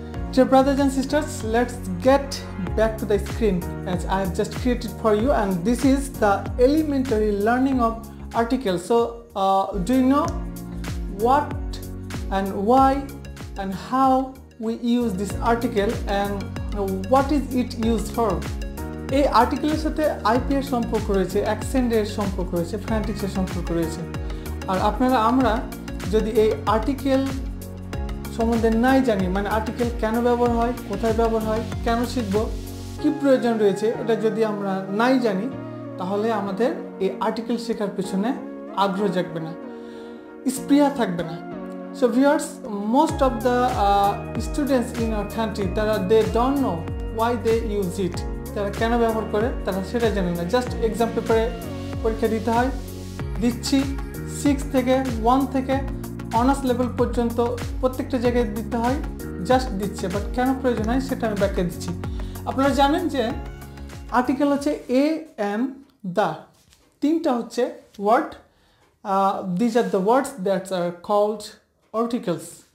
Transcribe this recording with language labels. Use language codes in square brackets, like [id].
[en] Dear brothers and sisters, let's get back to the screen as I have just created for you, and this is the elementary learning of articles. So, do you know what and why and how we use this article and what is it used for? [bn] এই আর্টিকেলের সাথে আইপিএর সম্পর্ক রয়েছে, অ্যাকসেন্ডের সম্পর্ক রয়েছে, ফ্রান্টিক্সের সম্পর্ক রয়েছে। আর আপনারা আমরা যদি এই আর্টিকেল সম্বন্ধে নাই জানি, মানে আর্টিকেল কেন ব্যবহার হয়, কোথায় ব্যবহার হয়, কেন শিখব, কী প্রয়োজন রয়েছে, এটা যদি আমরা নাই জানি, তাহলে আমাদের এই আর্টিকেল শেখার পেছনে আগ্রহ জাগবে না, স্পৃহা থাকবে না। [en] So viewers, most of the students in our country, they don't know why they use it. [bn] তারা কেন ব্যবহার করে তারা সেটা জানে না। জাস্ট এক্সাম পেপারে পরীক্ষা দিতে হয়, দিচ্ছি সিক্স থেকে ওয়ান থেকে অনার্স লেভেল পর্যন্ত প্রত্যেকটা জায়গায় দিতে হয়, জাস্ট দিচ্ছে, বাট কেন প্রয়োজন হয় সেটা আমি ব্যাখ্যা দিচ্ছি। আপনারা জানেন যে আর্টিকেল হচ্ছে এ এম দা, তিনটা হচ্ছে word, [en] These are the words that's are called articles.